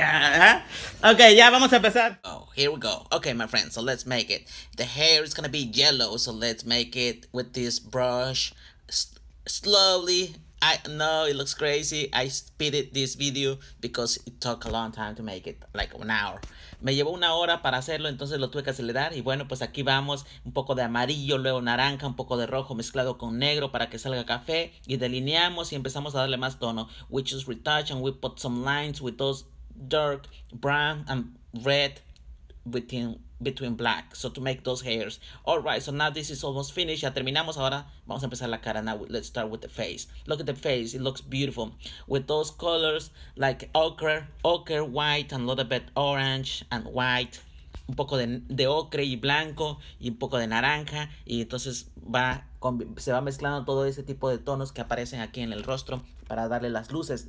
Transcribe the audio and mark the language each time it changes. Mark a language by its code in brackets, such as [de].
[es] ¿Eh? [en] Okay, [es] ya vamos a empezar. [en] Oh, here we go. Okay, my friend, so let's make it. The hair is gonna be yellow, so let's make it with this brush. Slowly. I know it looks crazy. I speeded this video because it took a long time to make it, like an hour. [es] Me llevó una hora para hacerlo, entonces lo tuve que acelerar. Y bueno, pues aquí vamos. Un poco de amarillo, luego naranja, un poco de rojo mezclado con negro para que salga café. Y delineamos y empezamos a darle más tono. [en] We just retouch and we put some lines with those dark brown and red between black. So to make those hairs. All right, so now this is almost finished. [es] Ya terminamos, ahora vamos a empezar la cara. [en] Now let's start with the face. Look at the face, it looks beautiful. With those colors like ochre, white, and a little bit orange and white. [es] Un poco de ocre y blanco, y un poco de naranja. Y entonces se va mezclando todo ese tipo de tonos que aparecen aquí en el rostro para darle las luces.